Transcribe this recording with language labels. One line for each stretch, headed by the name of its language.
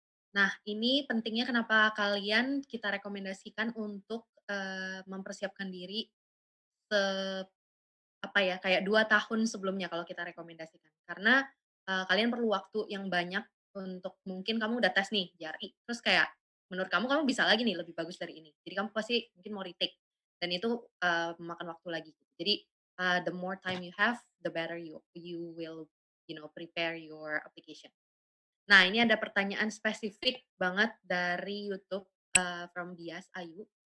Indonesian: Nah, ini pentingnya kenapa kalian kita rekomendasikan untuk mempersiapkan diri kayak 2 tahun sebelumnya kalau kita rekomendasikan. Karena kalian perlu waktu yang banyak untuk mungkin kamu udah tes nih JRI, terus kayak menurut kamu bisa lagi nih lebih bagus dari ini. Jadi kamu pasti mungkin mau retake dan itu memakan waktu lagi.
English: Jadi the more time you have, the better you will, you know, prepare your application.
Indonesian: Nah, ini ada pertanyaan spesifik banget dari YouTube from Dias Ayu.